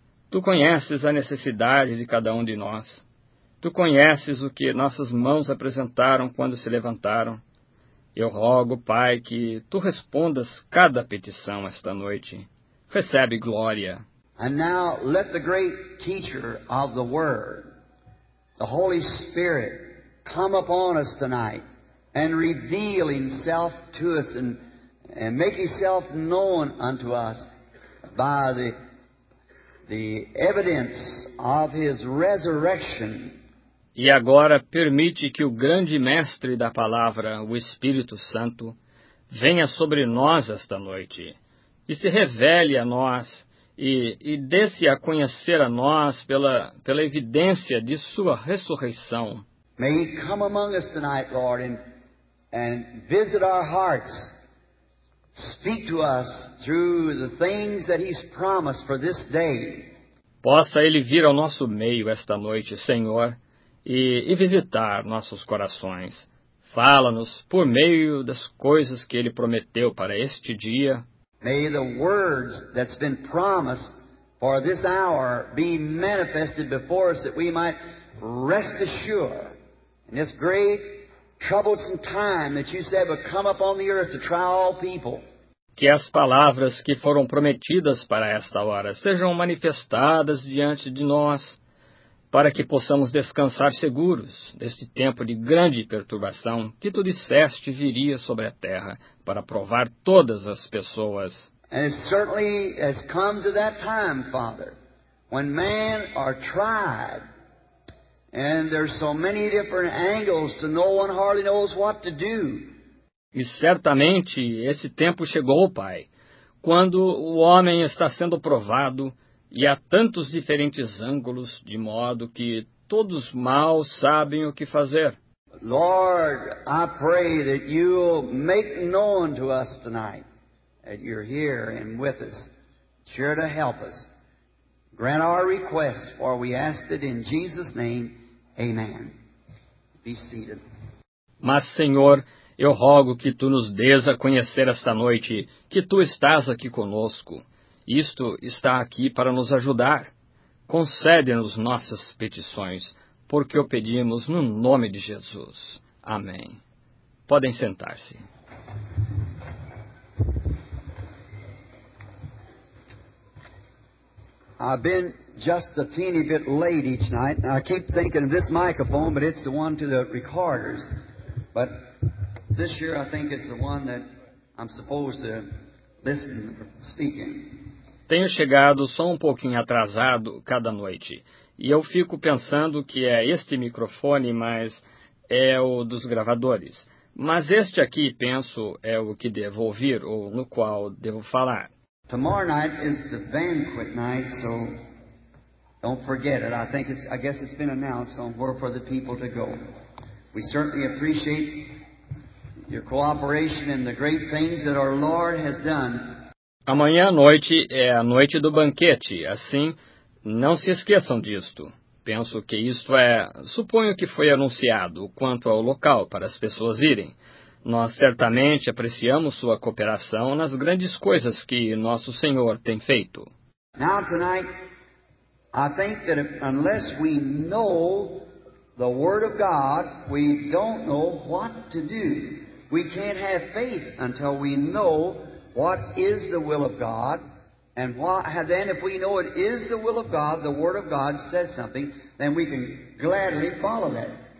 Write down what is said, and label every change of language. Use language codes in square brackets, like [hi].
[pt] Tu conheces a necessidade de cada um de nós. Tu conheces o que nossas mãos apresentaram quando se levantaram. Eu rogo, Pai, que Tu respondas cada petição esta noite. Recebe glória. [en] And now let the great teacher of the Word, the Holy Spirit, come upon us tonight and reveal Himself to us and make Himself known unto us by the evidence of His resurrection. [pt] E agora permite que o grande mestre da palavra, o Espírito Santo, venha sobre nós esta noite e se revele a nós e dê-se a conhecer a nós pela evidência de sua ressurreição. [en] May He come among us tonight, Lord, and visit our hearts, speak to us through the things that He's promised for this day. [pt] Possa Ele vir ao nosso meio esta noite, Senhor, e visitar nossos corações. Fala-nos por meio das coisas que Ele prometeu para este dia. [en] May the words that's been promised for this hour be manifested before us, that we might rest assured in this great troublesome time that you said would come upon the earth to try all people. [pt] Que as palavras que foram prometidas para esta hora sejam manifestadas diante de nós, para que possamos descansar seguros deste tempo de grande perturbação que Tu disseste viria sobre a terra para provar todas as pessoas. [en] And it certainly has come to that time, Father, when men are tried, and there's so many different angles to no one hardly knows what to do. [pt] E certamente esse tempo chegou, Pai, quando o homem está sendo provado e há tantos diferentes ângulos, de modo que todos mal sabem o que fazer. [en] Lord, I pray that you'll make known to us tonight that you're here and with us, sure to help us. Grant our request, for we ask it in Jesus' name. Amen. Be seated. [pt] Mas, Senhor, eu rogo que Tu nos dês a conhecer esta noite que Tu estás aqui conosco. Isto está aqui para nos ajudar. Concede-nos nossas petições, porque o pedimos no nome de Jesus. Amém. Podem sentar-se. [en] I've been just a teeny bit late each night. I keep thinking of this microphone, but it's the one to the recorders. But this year I think it's the one that I'm supposed to listen or speak in. [pt] Tenho chegado só um pouquinho atrasado cada noite, e eu fico pensando que é este microfone, mas é o dos gravadores. Mas este aqui, penso, é o que devo ouvir, ou no qual devo falar. [en] Tomorrow night is the banquet night, so don't forget it. I guess it's been announced on where for the people to go. We certainly appreciate your cooperation and the great things that our Lord has done. [pt] Amanhã à noite é a noite do banquete, assim, não se esqueçam disto. Penso que isto é, suponho que foi anunciado quanto ao local para as pessoas irem. Nós certamente apreciamos sua cooperação nas grandes coisas que nosso Senhor tem feito. [en] Now tonight, I think that unless we know the Word of God, we don't know what to do. We can't have faith until we know what is the will of God, and what, then if we know it is the will of God, the Word of God says something, then we can gladly follow that.